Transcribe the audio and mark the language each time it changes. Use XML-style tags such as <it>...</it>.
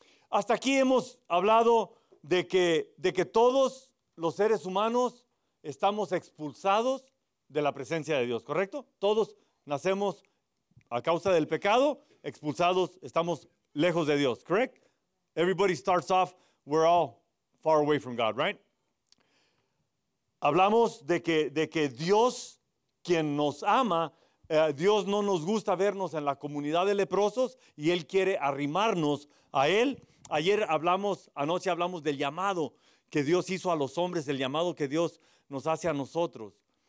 <es>Hasta aquí hemos hablado de que todos los seres humanos estamos expulsados de la presencia de Dios, ¿correcto? Todos nacemos a causa del pecado, expulsados, estamos lejos de Dios,</es> <en>¿correct? Everybody starts off, we're all far away from God, right?</en> <es>Hablamos de que Dios, quien nos ama, Dios no nos gusta vernos en la comunidad de leprosos y Él quiere arrimarnos a Él. Anoche hablamos del llamado que Dios hizo a los hombres, el llamado que Dios nos hace a nosotros.</es>